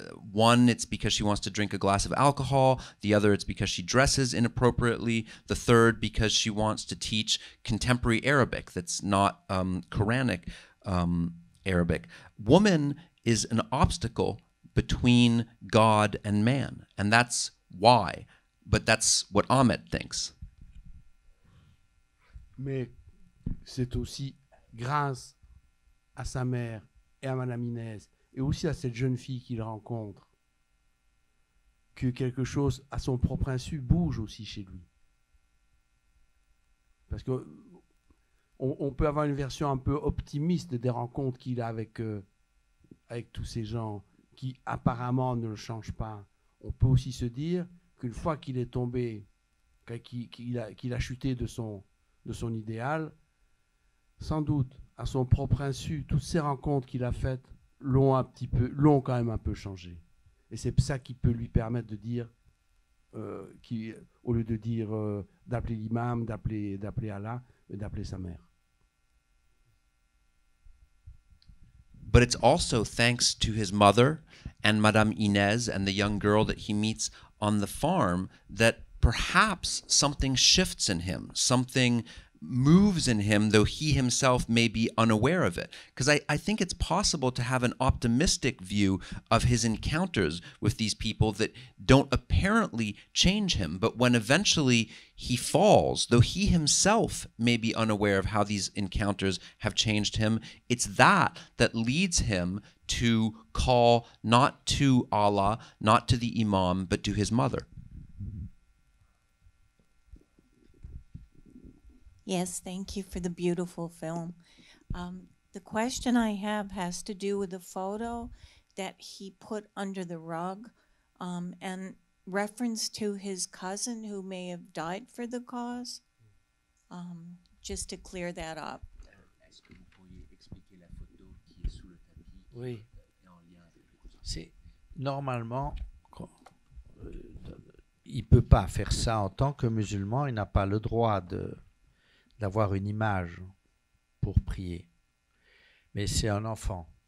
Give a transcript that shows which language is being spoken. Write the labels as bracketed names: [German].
[English] One, it's because she wants to drink a glass of alcohol. The other, it's because she dresses inappropriately. The third, because she wants to teach contemporary Arabic that's not Quranic Arabic. Woman is an obstacle between God and man, and that's why. But that's what Ahmed thinks. [French] Mais c'est aussi grâce à sa mère et à Madame Inès, et aussi à cette jeune fille qu'il rencontre, que quelque chose à son propre insu bouge aussi chez lui. Parce que on peut avoir une version un peu optimiste des rencontres qu'il a avec tous ces gens qui apparemment ne le changent pas. On peut aussi se dire qu'une fois qu'il est tombé, qu'il a chuté de son idéal, sans doute, à son propre insu, toutes ces rencontres qu'il a faites l'ont quand même un peu changé. Et c'est ça qui peut lui permettre de dire, au lieu de dire d'appeler l'imam, d'appeler Allah, d'appeler sa mère. [English] But it's also thanks to his mother and Madame Inez and the young girl that he meets on the farm that perhaps something shifts in him, something moves in him, though he himself may be unaware of it. Because I think it's possible to have an optimistic view of his encounters with these people that don't apparently change him. But when eventually he falls, though he himself may be unaware of how these encounters have changed him, it's that that leads him to call not to Allah, not to the Imam, but to his mother. Yes, thank you for the beautiful film. The question I have has to do with the photo that he put under the rug and reference to his cousin who may have died for the cause. Just to clear that up. [French] Est-ce que vous pourriez expliquer la photo qui est sous le tapis? Oui. C'est normalement, il ne peut pas faire ça en tant que musulman, il n'a pas le droit d'avoir une image pour prier. Mais c'est un enfant.